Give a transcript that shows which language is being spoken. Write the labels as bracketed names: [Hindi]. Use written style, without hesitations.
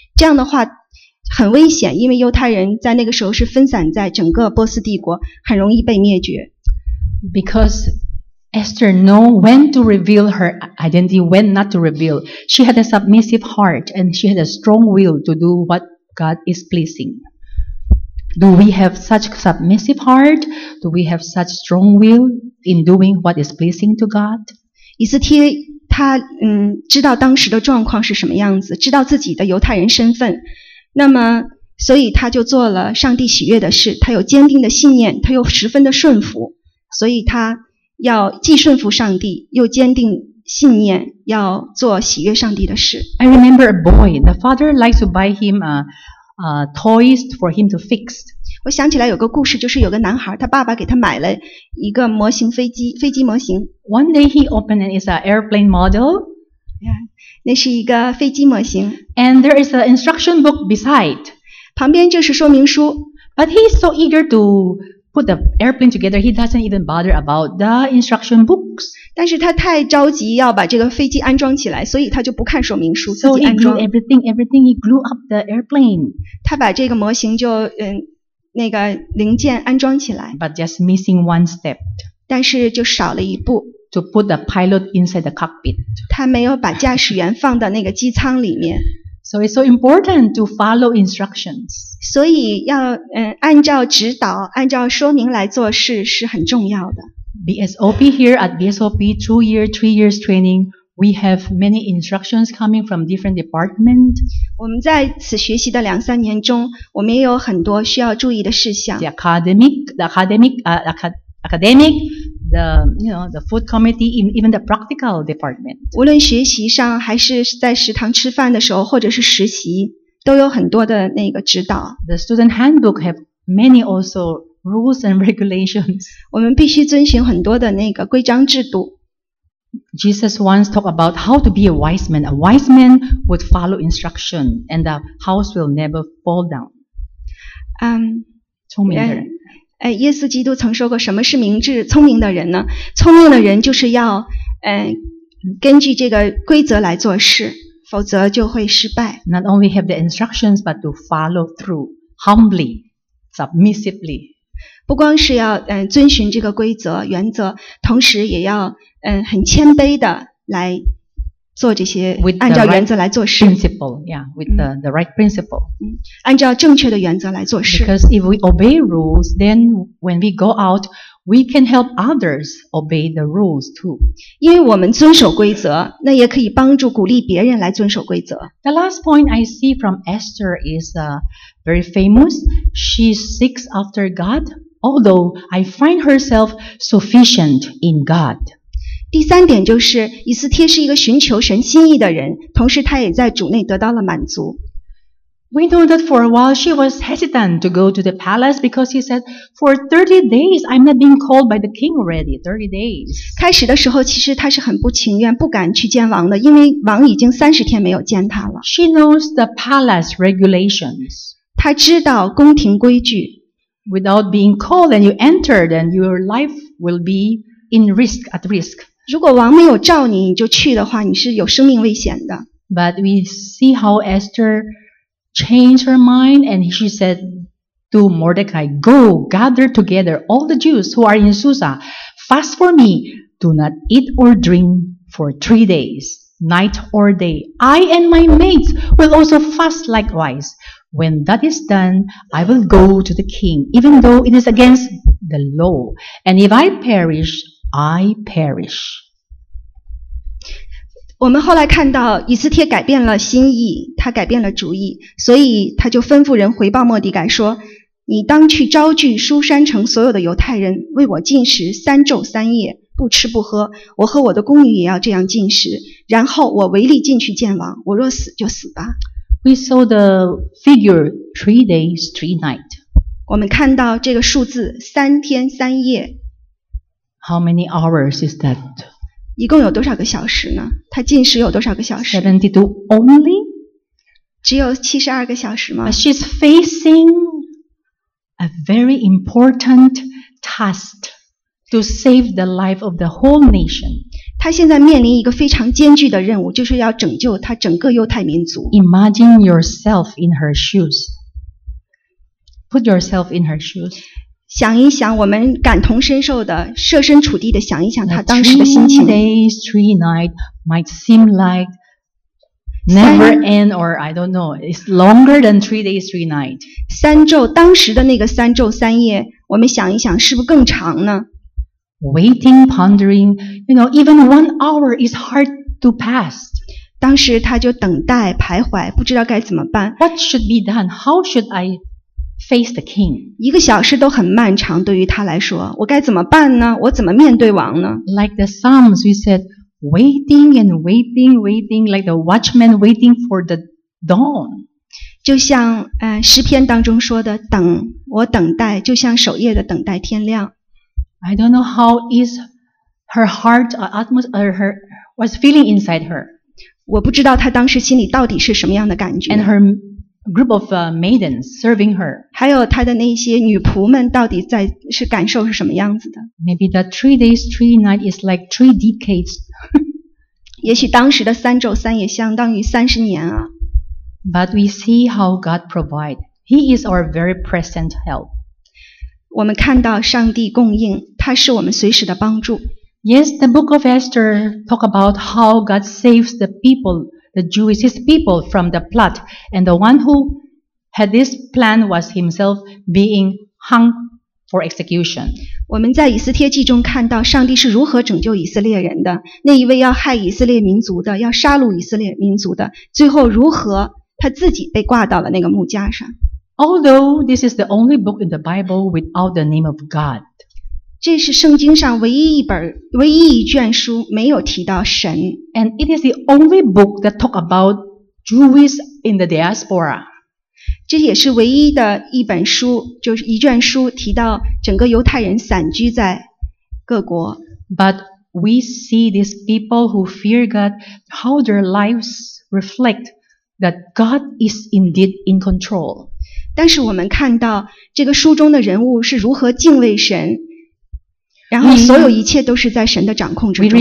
[Chinese] 这样的话很危险，因为犹太人在那个时候是分散在整个波斯帝国，很容易被灭绝。 [English] BecauseEsther knows when to reveal her identity, when not to reveal. She had a submissive heart and she had a strong will to do what God is pleasing. Do we have such submissive heart? Do we have such strong will in doing what is pleasing to God? [Chinese] 以斯帖他知道当时的状况是什么样子，知道自己的犹太人身份，那么所以他就做了上帝喜悦的事，他有坚定的信念，他又十分的顺服，所以他要既顺服上帝又坚定信念，要做喜悦上帝的事。 [English] I remember a boy. The father likes to buy him toys for him to fix. [Chinese] 我想起来有个故事，就是有个男孩，他爸爸给他买了一个模型飞机，飞机模型。 [English] One day he opened and it's an airplane model. [Chinese] Yeah, 那是一个飞机模型。 [English] And there is an instruction book beside. [Chinese] 旁边就是说明书。 [English] But he's so eager toPut the airplane together, he doesn't even bother about the instruction books. [Chinese] 但是他太着急要把这个飞机安装起来，所以他就不看说明书，自己安装。 [English] So he glued everything, he glued up the airplane. [Chinese] 他把这个模型就那个零件安装起来。 [English] But just missing one step. [Chinese] 但是就少了一步。 [English] To put the pilot inside the cockpit. [Chinese] 他没有把驾驶员放到那个机舱里面。 [English] So it's so important to follow instructions. [Chinese] 所以要按照指导，按照说明来做事是很重要的。 [English] BSOP here at BSOP, three years training, we have many instructions coming from different departments. [Chinese] 我们在此学习的两三年中，我们也有很多需要注意的事项。 [English] The academic, the, you know, the food committee, even the practical department. [Chinese] 无论学习上还是在食堂吃饭的时候或者是实习，都有很多的那个指导。 [English] The student handbook have many also rules and regulations. [Chinese] 我们必须遵循很多的那个规章制度。 [English] Jesus once talked about how to be a wise man. A wise man would follow instruction and the house will never fall down. [Chinese] 聪明的人。耶稣基督曾说过，什么是明智聪明的人呢？聪明的人就是要根据这个规则来做事，否则就会失败。 [English] Not only have the instructions but to follow through humbly, submissively. [Chinese] 不光是要遵循这个规则原则，同时也要很谦卑的来做这些，按照原则来做事。 [English] Principle, yeah, with the right principle. [Chinese] 按照正确的原则来做事。 [English] Because if we obey rules, then when we go out, we can help others obey the rules too. [Chinese] 因为我们遵守规则，那也可以帮助鼓励别人来遵守规则。 [English] The last point I see from Esther is very famous. She seeks after God, although I find herself sufficient in God. [Chinese] 第三点就是以斯帖是一个寻求神心意的人，同时他也在主内得到了满足。 [English] We know that for a while she was hesitant to go to the palace because she said, "For 30 days, I'm not being called by the king already. 30 days." [Chinese] 开始的时候，其实她是很不情愿、不敢去见王的，因为王已经30天没有见她了。 [English] She knows the palace regulations. [Chinese] 她知道宫廷规矩。 [English] Without being called and you enter, then your life will be in risk at risk. [Chinese] 如果王没有召你，你就去的话，你是有生命危险的。 [English] But we see how Esther. Changed her mind, and she said to Mordecai, "Go gather together all the Jews who are in Susa. Fast for me. Do not eat or drink for 3 days, night or day. I and my maids will also fast likewise. When that is done, I will go to the king, even though it is against the law. And if I perish, I perish." [Chinese] 我们后来看到以斯帖改变了心意，他改变了主意，所以他就吩咐人回报莫迪改说，你当去招聚书山城所有的犹太人，为我禁食三昼三夜，不吃不喝，我和我的宫女也要这样禁食，然后我违例进去见王，我若死就死吧。 [English] We saw the figure 3 days, 3 nights. [Chinese] 我们看到这个数字三天三夜。 [English] How many hours is that? [Chinese] 一共有多少个小时呢？他进食有多少个小时？ [English] 72 only? [Chinese] 只有72个小时吗？ [English] But she's facing a very important task to save the life of the whole nation. [Chinese] 他现在面临一个非常艰巨的任务，就是要拯救他整个犹太民族。 [English] Imagine yourself in her shoes. Put yourself in her shoes. [Chinese] 想一想，我们感同身受的，设身处地的想一想他当时的心情。 [English] Three days, three nights might seem like never end, or I don't know. It's longer than 3 days, three nights. [Chinese] 三昼，当时的那个三昼三夜，我们想一想，是不是更长呢 [English] ？Waiting, pondering, you know, even 1 hour is hard to pass. [Chinese] 当时他就等待徘徊，不知道该怎么办。 [English] What should be done? How should I? Face the king. [Chinese] 一个小时都很漫长，对于他来说，我该怎么办呢？我怎么面对王呢 [English] ？Like the Psalms, we said, waiting and waiting, waiting, like the watchman waiting for the dawn. [Chinese] 就像诗篇当中说的，等我等待，就像守夜的等待天亮。 [English] I don't know how is her heart or atmosphere, her was feeling inside her. [Chinese] 我不知道她当时心里到底是什么样的感觉。 [English] And her group of maidens serving her. [Chinese] 还有她的那些女仆们到底在是感受是什么样子的 [English] ？Maybe that 3 days, three nights is like 3 decades. [Chinese] 也许当时的三昼三夜相当于30年啊。 [English] But we see how God provides. He is our very present help. [Chinese] 我们看到上帝供应，他是我们随时的帮助。 [English] Yes, the book of Esther talk about how God saves the people. The Jewish people from the plot, and the one who had this plan was himself being hung for execution. [Chinese] 我们在以斯帖记中看到上帝是如何拯救以色列人的。那一位要害以色列民族的，要杀戮以色列民族的，最后如何他自己被挂到了那个木架上。 [English] Although this is the only book in the Bible without the name of God, [Chinese] 这是圣经上唯一一卷书没有提到神。 [English] And it is the only book that talk about Jews in the diaspora. [Chinese] 这也是唯一的一本书，就是一卷书提到整个犹太人散居在各国。 [English] But we see these people who fear God, how their lives reflect that God is indeed in control. [Chinese] 但是我们看到这个书中的人物是如何敬畏神。然后所有一切都是在神的掌控之中。